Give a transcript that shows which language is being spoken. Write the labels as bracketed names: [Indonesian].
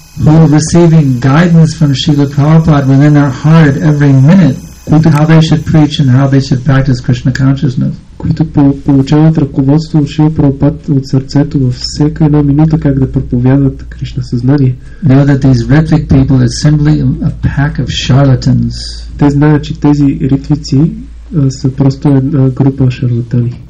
[English] who are receiving guidance from Srila Prabhupada within their heart every minute, [Bulgarian] които, [English] how they should preach and how they should practice Krishna consciousness. [Bulgarian] Които получават ръководство от Шрила Прабхупад от сърцето във всяка една минута как да проповядват Кришна съзнание. [English] Know that these Ritvik people are simply a pack of charlatans. [Bulgarian] Те знаят, че тези ритвици са просто една група шарлатани.